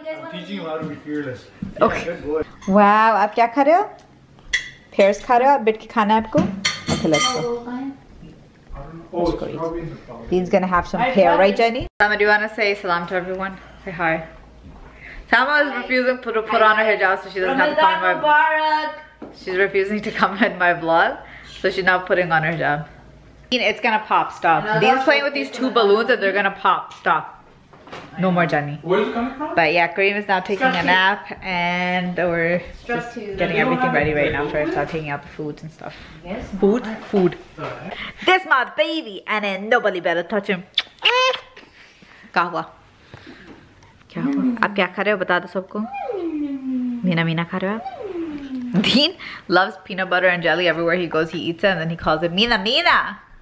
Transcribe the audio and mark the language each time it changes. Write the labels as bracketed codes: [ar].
[en] I'm teaching you how to be fearless. Okay. Good boy. [ur] Wow, آپ کیا کھا رہے ہو؟ Pears کھا رہے ہو؟ بٹ کے کھانا ہے آپکو؟ [en] Okay, let's go. Oh, Dean's gonna have some pear, right, Jenny? Sama, do you wanna say salam to everyone? Say hi. Sama is refusing to put on her hijab, so she doesn't have to come in my vlog. She's refusing to come in my vlog, so she's not putting on her hijab. Dean, it's gonna pop, stop. Dean's playing with these two balloons and they're gonna pop, stop. No more, Jenny. Where is it coming from? But yeah, Kareem is now taking a nap and we're just getting everything ready right now for her to start taking out the foods and stuff. Yes. Food. This my baby and then nobody better touch him. Kahwa. [ur] قہوہ. اب کیا کرے ہو بتا دو سبکو؟ مینا کرے ہو؟ [en] Dean loves peanut butter and jelly everywhere he goes. He eats it and then he calls it Meena.